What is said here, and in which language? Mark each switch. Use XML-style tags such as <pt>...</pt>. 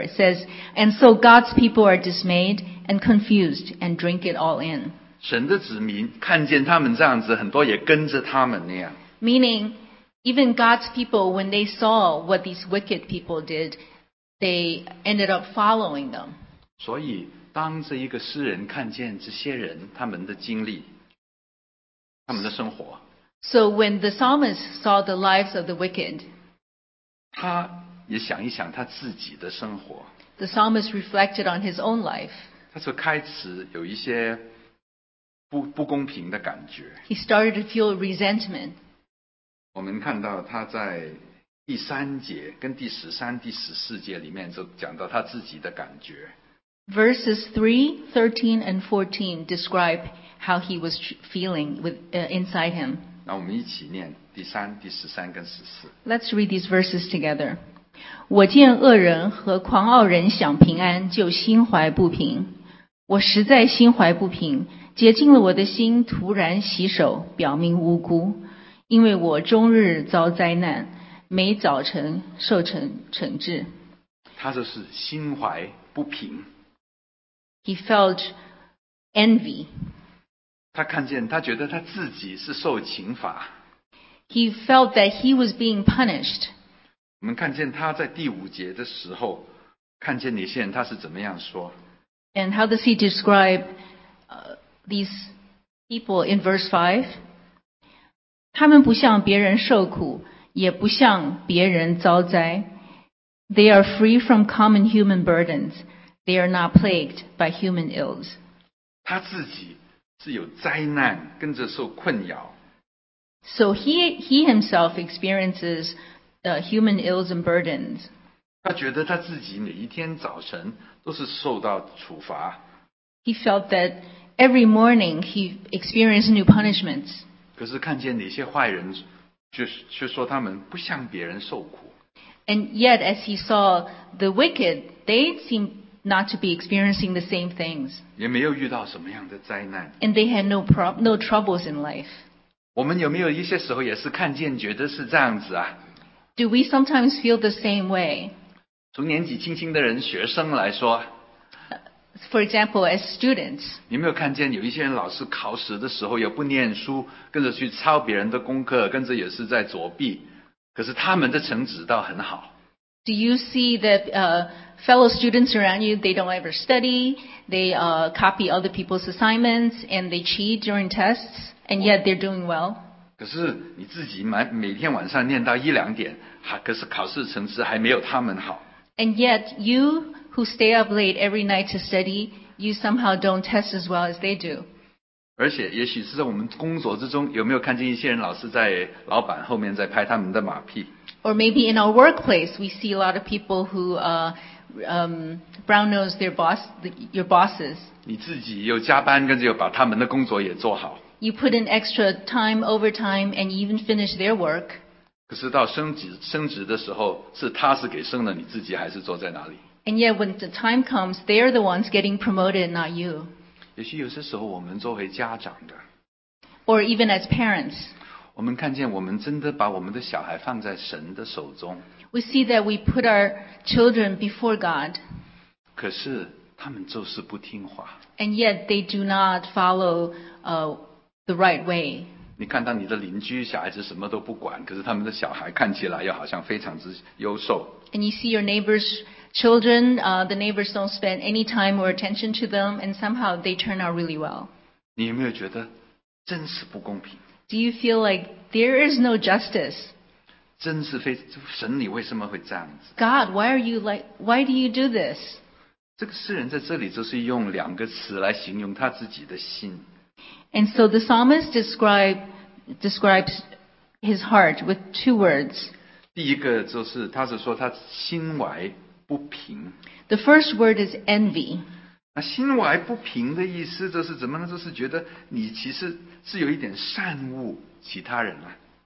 <en>It says, and so God's people are dismayed and confused and drink it all in.</en> <zh>神的子民看见他们这样子，很多也跟着他们那样。</zh> <en>Meaning, even God's people, when they saw what these wicked people did, they ended up following them.</en> <zh>所以当这一个诗人看见这些人他们的经历，他们的生活。</zh> <en>So when the psalmist saw the lives of the wicked,</en> <zh>他也想一想他自己的生活。</zh> <en>The psalmist reflected on his own life.</en> <zh>他就开始有一些 不公平的感觉。</zh> <en>He started to feel resentment.</en> <zh>我们看到他在第三节跟第十三、第十四节里面就讲到他自己的感觉。</zh> <en>Verses 3, 13, and 14 describe how he was feeling inside him.</en> <zh>那我们一起念第三、第十三跟十四。</zh> <en>Let's read these verses together.</en> <zh>我见恶人和狂傲人想平安，就心怀不平。我实在心怀不平，洁净了我的心，突然洗手，表明无辜。因为我终日遭灾难，每早晨受惩治。他就是心怀不平。</zh> <en>He felt envy.</en> <zh>他看见，他觉得他自己是受刑罚。</zh> <en>He felt that he was being punished.</en> <zh>我们看见他在第五节的时候，看见那些人他是怎么样说。</zh> <en>And how does he describe these people in verse 5?</en> <zh>他们不像别人受苦，也不像别人遭灾。</zh> <en>They are free from common human burdens. They are not plagued by human ills.</en> <zh>他自己是有灾难，跟着受困扰。</zh> <en>So he himself experiences human ills and burdens.</en> <zh>他觉得他自己每一天早晨都是受到处罚。</zh> <en>He felt that every morning he experienced new punishments.</en> <zh>可是看见那些坏人，却说他们不像别人受苦。</zh> <en>And yet, as he saw the wicked, they seemed not to be experiencing the same things.</en> <zh>也没有遇到什么样的灾难。</zh> <en>And they had no troubles in life.</en> <zh>我们有没有一些时候也是看见觉得是这样子啊？</zh> <en>Do we sometimes feel the same way?</en> <zh>从年纪轻轻的人，学生来说。</zh> <en>For example, as students.</en> <zh>你没有看见有一些人老师考试的时候也不念书，跟着去抄别人的功课，跟着也是在作弊，可是他们的成绩倒很好。</zh> <en>Do you see that fellow students around you, they don't ever study, they copy other people's assignments, and they cheat during tests, and yet they're doing well?</en> <zh>可是你自己每天晚上念到一两点，可是考试成绩还没有他们好。</zh> <en>And yet you who stay up late every night to study, you somehow don't test as well as they do.</en> <zh>而且也许是在我们工作之中，有没有看见一些人老是在老板后面在拍他们的马屁？</zh> <en>Or maybe in our workplace, we see a lot of people who brown nose their boss, your bosses.</en> <zh>你自己又加班，跟着又把他们的工作也做好。</zh> <en>You put in extra time, overtime, and even finish their work.</en> <zh>可是到升职的时候，是他是给升了，你自己还是坐在哪里？</zh> <en>And yet when the time comes, they're the ones getting promoted, not you.</en> <zh>也许有些时候我们作为家长的，</zh> <en>or even as parents,</en> <zh>我们看见我们真的把我们的小孩放在神的手中。</zh> <en>We see that we put our children before God.</en> <zh>可是他们就是不听话。</zh> <en>And yet they do not follow the right way.</en> <zh>你看到你的邻居小孩子什么都不管，可是他们的小孩看起来又好像非常之优秀。</zh> <en>And you see your neighbor's children, the neighbors don't spend any time or attention to them, and somehow they turn out really well.</en> <zh>你有没有觉得真是不公平？</zh> <en>Do you feel like there is no justice?</en> <zh>真是非神，你为什么会这样子？</zh> <en>God, why do you do this?</en> <zh>这个诗人在这里就是用两个词来形容他自己的心。</zh> <en>And so the psalmist describes his heart with two words.</en> <zh>第一个就是他是说他心怀不平。</zh> <en>The first word is envy.</en> <zh>那心怀不平的意思就是怎么呢？就是觉得你其实是有一点善恶其他人啊。</zh>